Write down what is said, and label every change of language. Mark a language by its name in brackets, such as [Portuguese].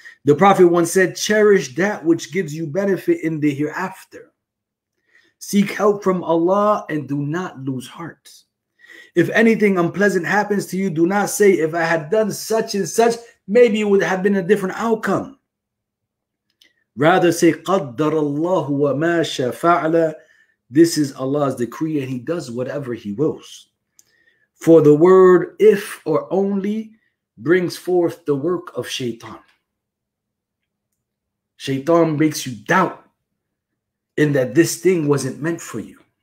[English] The Prophet once said, cherish that which gives you benefit in the hereafter. Seek help from Allah and do not lose heart. If anything unpleasant happens to you, do not say, if I had done such and such, maybe it would have been a different outcome. Rather say, [Arabic] قَدَّرَ اللَّهُ وَمَا شَاءَ فَعَلَ. [English] This is Allah's decree and He does whatever He wills. For the word if or only brings forth the work of shaitan. Shaitan makes you doubt in that this thing wasn't meant for you.